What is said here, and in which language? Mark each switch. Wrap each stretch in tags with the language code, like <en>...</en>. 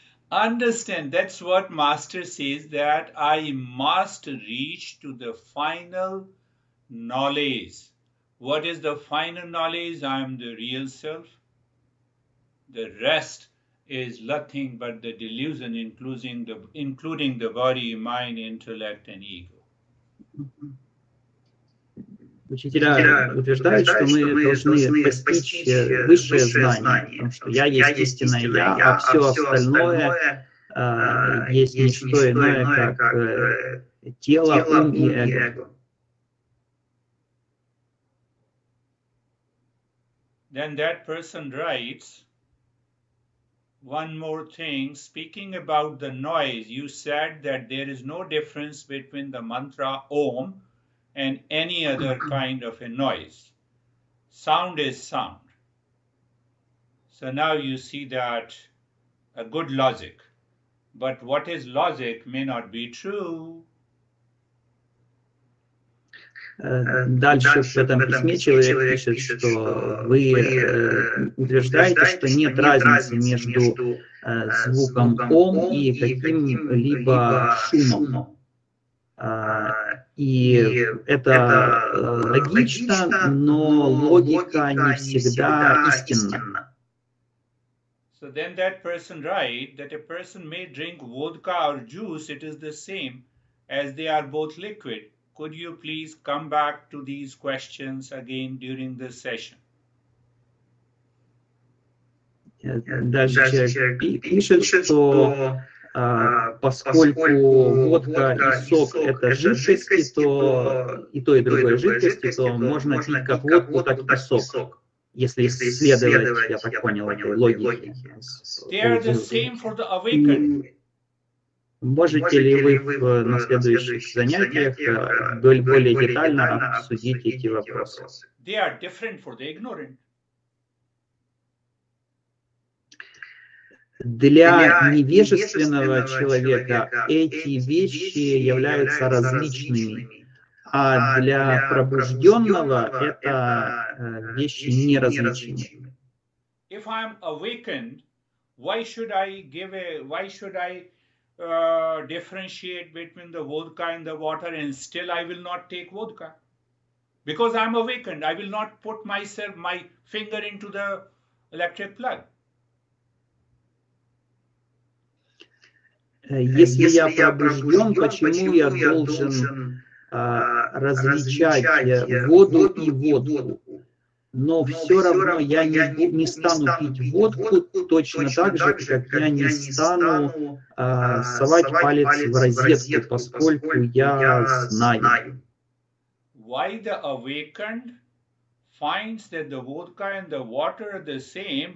<en>Understand, that's what Master says, that I must reach to the final knowledge. What is the final knowledge? I am the real self. The rest is nothing but the delusion, including the body, mind, intellect, and ego.</en> <ru>Учителя утверждают, что мы должны постичь высшее знание, потому что «я» есть истинное «я», а все остальное есть не что иное, как тело, ум и эго.</ru> <en>Then that person writes, one more thing, speaking about the noise, you said that there is no difference between the mantra Om and any other kind of a noise. Sound is sound. So now you see that a good logic. But what is logic may not be true.</en> <ru>Дальше в этом письме человек пишет, что вы утверждаете, что нет разницы между звуком «ом» и каким-либо шумом. И это логично, но логика не всегда истинна.</ru> <en>So then that person write that a person may drink vodka or juice, it is the same as they are both liquid. Could you please come back to these questions again during this session?</en> <ru>Дальше человек пишет, что поскольку водка и сок – это жидкости, то и то, и другое жидкости, то можно пить как водку, так и сок, если исследовать, я так понял, этой логике.</ru> <en>They are the same for the awakened.</en> <ru>Можете ли вы на следующих занятиях более детально обсудить эти вопросы?</ru> <en>They are different for the ignorant.</en> <ru>Для невежественного человека эти вещи являются различными, а для пробужденного это вещи неразличимые.</ru> <en>If I am awakened, why should I give a, why should I differentiate between the vodka and the water, and still I will not take vodka because I'm awakened. I will not put myself, my finger into the electric plug.</en> <ru>Если я пробужден, почему я должен различать воду и воду? Но все равно я не стану пить водку точно так же, как я не стану совать палец в розетку, поскольку я знаю.</ru> <en>Why the awakened finds that the vodka and the water are the same?</en>